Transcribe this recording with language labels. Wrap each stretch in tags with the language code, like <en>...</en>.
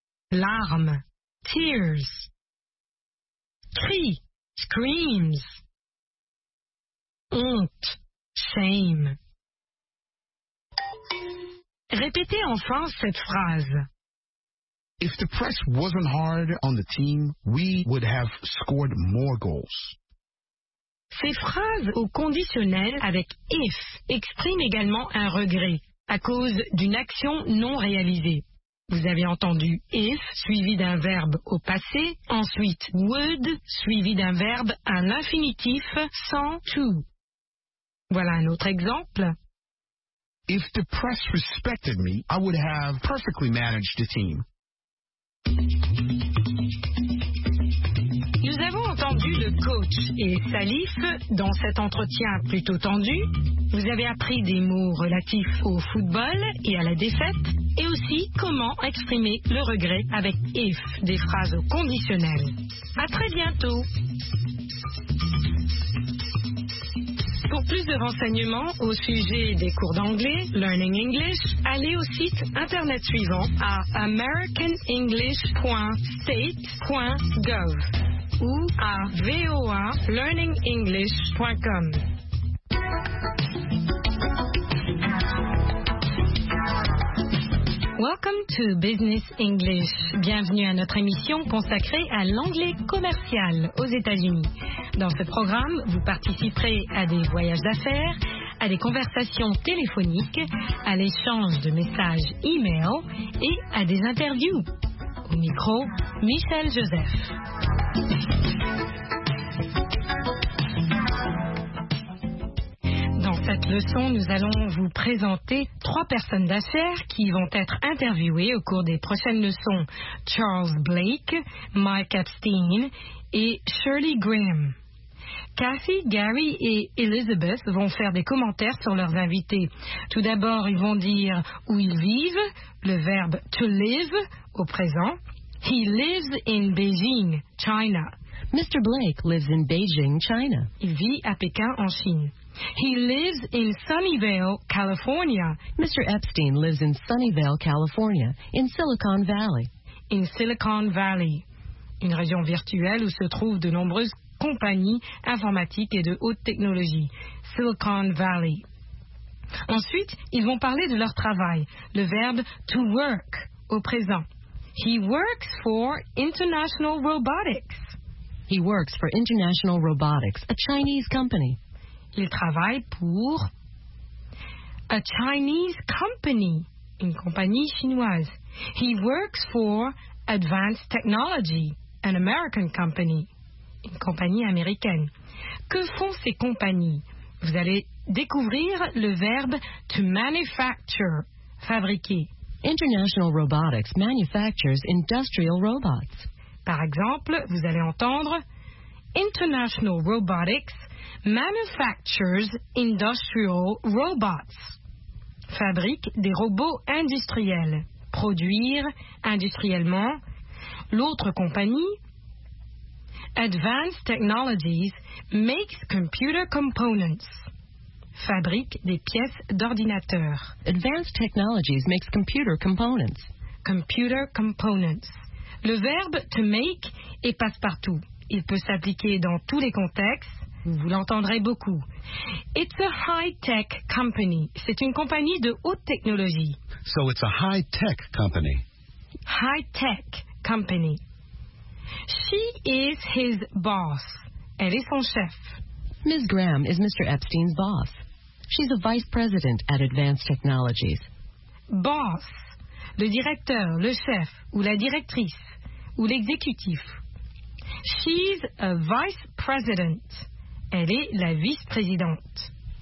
<fr>Larmes, tears. Cri, screams. Honte, Shame. Répétez en France cette phrase.</fr> <en>If the press wasn't hard on the team, we would have scored more goals.</en> <fr>Ces phrases au conditionnel avec if expriment également un regret à cause d'une action non réalisée. Vous avez entendu if suivi d'un verbe au passé, ensuite would suivi d'un verbe à l'infinitif sans to. Voilà un autre exemple.</fr> <en>If the press respected me, I would have perfectly managed the team.</en> <fr>Nous avons entendu le coach et Salif dans cet entretien plutôt tendu. Vous avez appris des mots relatifs au football et à la défaite, et aussi comment exprimer le regret avec if, des phrases au conditionnel. À très bientôt. Pour plus de renseignements au sujet des cours d'anglais, Learning English, allez au site internet suivant à americanenglish.state.gov ou à voalearningenglish.com.</fr> <en>Welcome to Business English.</en> <fr>Bienvenue à notre émission consacrée à l'anglais commercial aux États-Unis. Dans ce programme, vous participerez à des voyages d'affaires, à des conversations téléphoniques, à l'échange de messages e-mail et à des interviews. Au micro, Michel Joseph. Cette leçon, nous allons vous présenter trois personnes d'affaires qui vont être interviewées au cours des prochaines leçons. Charles Blake, Mike Epstein et Shirley Graham. Kathy, Gary et Elizabeth vont faire des commentaires sur leurs invités. Tout d'abord, ils vont dire où ils vivent, le verbe to live au présent.</fr> <en>He lives in Beijing, China. Mr. Blake lives in Beijing, China.</en> <fr>Il vit à Pékin, en Chine.</fr> <en>He lives in Sunnyvale, California. Mr. Epstein lives in Sunnyvale, California, in Silicon Valley.</en> <fr>In Silicon Valley, une région virtuelle où se trouvent de nombreuses compagnies informatiques et de haute technologie. Silicon Valley. Ensuite, ils vont parler de leur travail, le verbe to work au présent.</fr> <en>He works for International Robotics. He works for International Robotics, a Chinese company.</en> <fr>Il travaille pour</fr> <en>a Chinese company,</en> <fr>une compagnie chinoise.</fr> <en>He works for Advanced Technology, an American company,</en> <fr>une compagnie américaine. Que font ces compagnies? Vous allez découvrir le verbe to manufacture, fabriquer.</fr> <en>International Robotics manufactures industrial robots.</en> <fr>Par exemple, vous allez entendre</fr> <en>International Robotics manufactures industrial robots.</en> <fr>Fabrique des robots industriels. Produire industriellement. L'autre compagnie,</fr> <en>Advanced Technologies makes computer components.</en> <fr>Fabrique des pièces d'ordinateur.</fr> <en>Advanced Technologies makes computer components. Computer components.</en> <fr>Le verbe to make est passe-partout. Il peut s'appliquer dans tous les contextes. Vous l'entendrez beaucoup.</fr> <en>It's a high-tech company.</en> <fr>C'est une compagnie de haute technologie.</fr> <en>So it's a high-tech company. High-tech company. She is his boss.</en> <fr>Elle est son chef.</fr> <en>Ms. Graham is Mr. Epstein's boss. She's a vice president at Advanced Technologies. Boss.</en> <fr>Le directeur, le chef ou la directrice ou l'exécutif.</fr> <en>She's a vice president.</en> <fr>Elle est la vice-présidente.</fr>